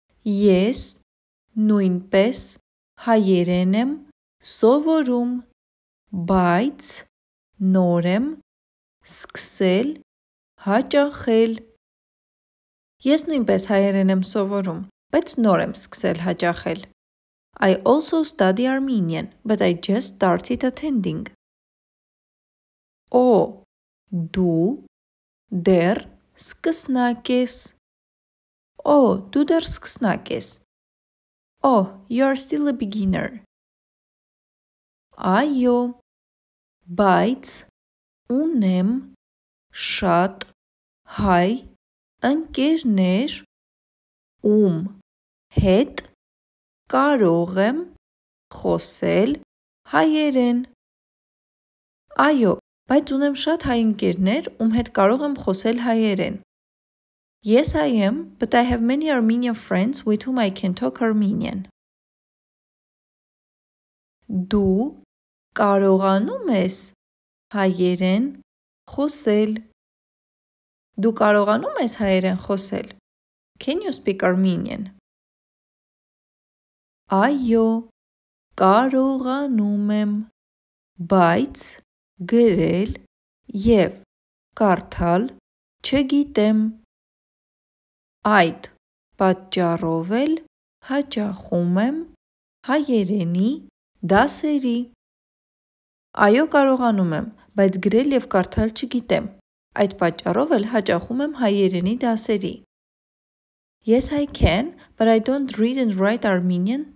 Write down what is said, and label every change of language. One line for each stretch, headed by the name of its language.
Armenian: Ես նույնպես հայերեն եմ սովորում, բայց նոր եմ սկսել հաճախել. Ես նույնպես հայերեն եմ սովորում, բայց նոր եմ սկսել հաճախել.
English: I also study Armenian, but I just started attending.
Armenian: Ո, դու դեռ սկսնակ ես. Ո, դու դեռ սկսնակ ես.
English: Oh, you are still a beginner.
Armenian: Այո, բայց ունեմ շատ հայ ընկերներ, ում հետ կարող եմ խոսել հայերեն. Այո, բայց ունեմ շատ հայ ընկերներ, ում հետ կարող եմ խոսել հայերեն.
English: Yes, I am, but I have many Armenian friends with whom I can talk Armenian.
Armenian: Դու կարողանում ես հայերեն խոսել. Դու կարողանում ես հայերեն խոսել.
English: Can you speak Armenian?
Armenian: Այո, կարողանում եմ, բայց գրել եւ կարդալ չգիտեմ. Այդ պատճառով էլ հաճախում եմ հայերենի դասերի. Այո, կարողանում եմ, բայց գրել եւ կարդալ չգիտեմ. Այդ պատճառով էլ հաճախում եմ հայերենի դասերի.
English: Yes, I can, but I don't read and write Armenian.